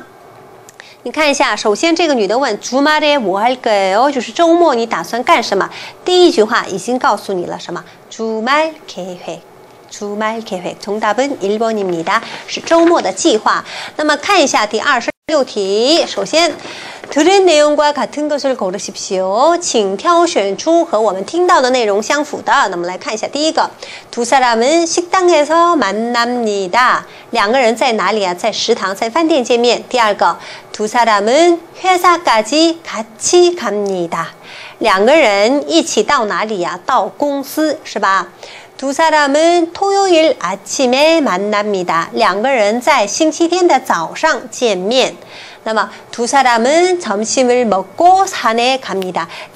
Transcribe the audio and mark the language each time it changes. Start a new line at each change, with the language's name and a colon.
Chinese: 是这样的一组对话。那么在这里经常会听到的一个单词是什么？登山，登山是吧？登山的意思。那么在这里来看一下，它到底是做什么呢？你看一下，首先这个女的问
Korean: 주말에 뭐 할 거예요？
Chinese: 就是周末你打算干什么？第一句话已经告诉你了什么？
Korean: 주말 계획。 주말 계획. 정답은 1번입니다.
Chinese: 是周末的计划。那么看一下第26题，首先。
Korean: 들은 내용과 같은 것을 고르십시오.
Chinese: 请挑选出和我们听到的内容相符的。那么来看一下第一个，
Korean: 두 사람은 식당에서 만납니다.
Chinese: 两个人在哪里啊？在食堂，在饭店见面。第二个，
Korean: 두 사람은 회사까지 같이 갑니다.
Chinese: 两个人一起到哪里啊？到公司是吧？
Korean: 두 사람은 토요일 아침에 만납니다.
Chinese: 两个人在星期天的早上见面。
Korean: 那么두 사람은 점심을 먹고 산에 갑니다.